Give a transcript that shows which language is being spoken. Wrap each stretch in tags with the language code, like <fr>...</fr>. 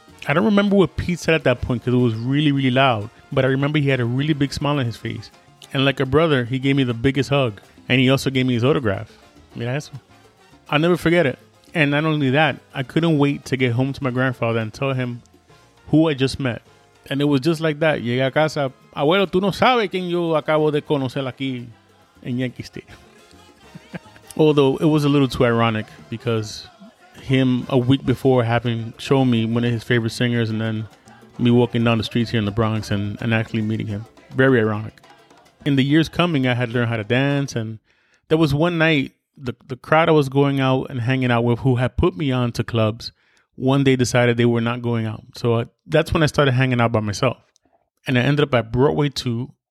<en>I don't remember what Pete said at that point because it was really, really loud. But I remember he had a really big smile on his face. And like a brother, he gave me the biggest hug and he also gave me his autograph.</en> <es>Mira eso.</es> <en>I'll never forget it. And not only that, I couldn't wait to get home to my grandfather and tell him who I just met. And it was just like that.</en> <es>Llegué a casa. Abuelo, tú no sabes quién yo acabo de conocer aquí en Yankee Stadium.</es> <en>Although it was a little too ironic because him a week before having shown me one of his favorite singers and then me walking down the streets here in the Bronx and actually meeting him. Very ironic. In the years coming, I had learned how to dance. And there was one night, the crowd I was going out and hanging out with who had put me on to clubs, one day decided they were not going out. So that's when I started hanging out by myself. And I ended up at Broadway 2</en>